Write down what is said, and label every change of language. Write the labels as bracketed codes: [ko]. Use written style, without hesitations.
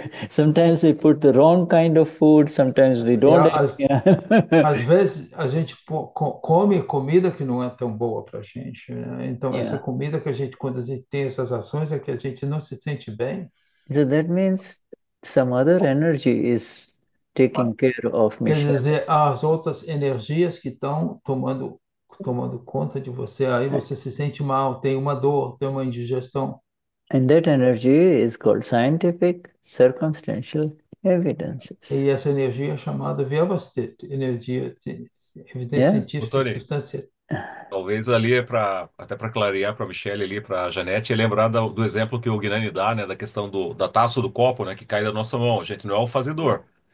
[en] Sometimes we put the wrong kind of food, sometimes we [pt] E [en] don't. [pt] às vezes a gente come comida que não é tão boa para a gente, né? Então, essa comida que a gente, quando a gente tem essas ações, é que a gente não se sente bem. [en] So that means some other energy is taking care of me, Shiva. [pt] Quer dizer, as outras energias que estão tomando conta de você, aí você se sente mal, tem uma dor, tem uma indigestão. [en] And that energy is called scientific circumstantial evidences. [pt] E essa energia é chamada Vyavasthita, energia de evidência científica Doutor, circunstancial. talvez ali é até para clarear para a Michelle ali, para a Janete, lembrar do exemplo que o Gnani dá, né, da questão da taça do copo, né, que cai da nossa mão. A gente não é o fazedor.